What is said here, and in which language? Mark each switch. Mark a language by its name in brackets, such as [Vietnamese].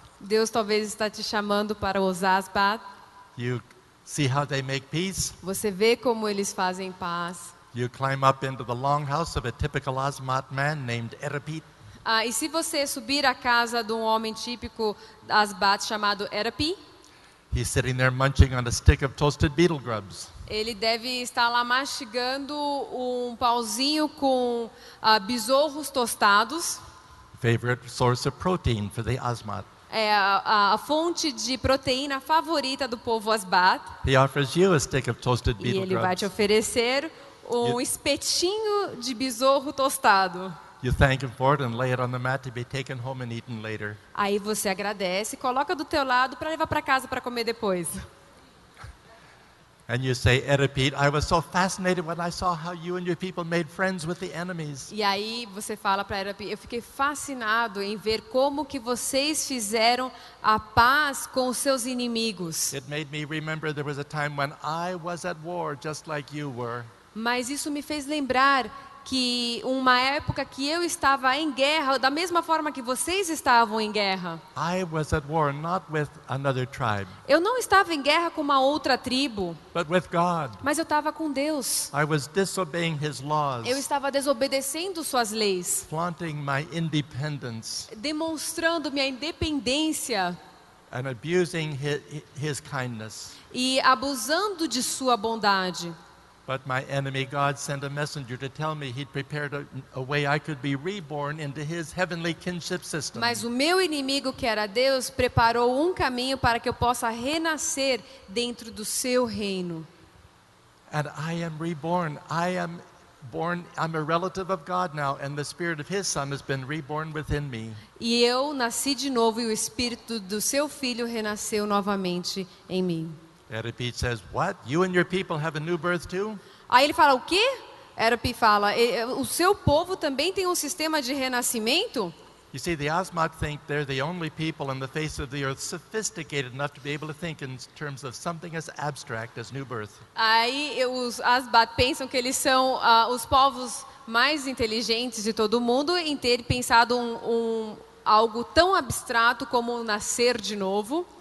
[Portuguese] Deus talvez está te chamando para o Asmat. [English] You see how they make peace? [Portuguese] Você vê como eles fazem paz? [English] You climb up into the longhouse of a typical Asmat man named Erapit. [Portuguese] E se você subir a casa de homem típico Asmat chamado Erapi? [English] He's sitting there munching on a stick of toasted beetle grubs. [Portuguese] Ele deve estar lá mastigando pauzinho com besouros tostados. [English] Favorite source of protein for the Asmat. [Portuguese] É a fonte de proteína favorita do povo Asmat. [English] He offers you a stick of toasted beetle grubs. [Portuguese] E ele vai te oferecer espetinho de besouro tostado. [English] You thank him for it and lay it on the mat to be taken home and eaten later. [Portuguese] Aí você agradece, coloca do teu lado para levar para casa para comer depois. [English] And you say, Erapit, I was so fascinated when I saw how you and your people made friends with the enemies. [Portuguese] E aí você fala para Erapit, eu fiquei fascinado em ver como que vocês fizeram a paz com os seus inimigos. [English] It made me remember there was a time when I was at war just like you were. [Portuguese] Mas isso me fez lembrar que uma época que eu estava em guerra, da mesma forma que vocês estavam em guerra. [English] I was at war, not with another tribe. [Portuguese] Eu não estava em guerra com uma outra tribo. [English] But with God. [Portuguese] Mas eu estava com Deus. [English] I was disobeying his laws. [Portuguese] Eu estava desobedecendo suas leis. [English] Flaunting my independence. [Portuguese] Demonstrando minha independência. [English] And abusing his kindness. [Portuguese] E abusando de sua bondade. [English] But my enemy God sent a messenger to tell me he'd prepared a way I could be reborn into his heavenly kinship system. [Portuguese] Mas o meu inimigo, que era Deus, preparou caminho para que eu possa renascer dentro do seu reino. [English] And I am reborn. I am born. I'm a relative of God now, and the spirit of his son has been reborn within me. [Portuguese] E eu nasci de novo e o espírito do seu filho renasceu novamente em mim. [English] Erapit says, "What? You and your people have a new birth too?" [Portuguese] Aí ele fala, o quê? Erapit fala, o seu povo também tem sistema de renascimento? [English] You see, the Asmat think they're the only people on the face of the earth sophisticated enough to be able to think in terms of something as abstract as new birth. [Portuguese] Aí os Asmat pensam que eles são os povos mais inteligentes de todo mundo em ter pensado algo tão abstrato como nascer de novo.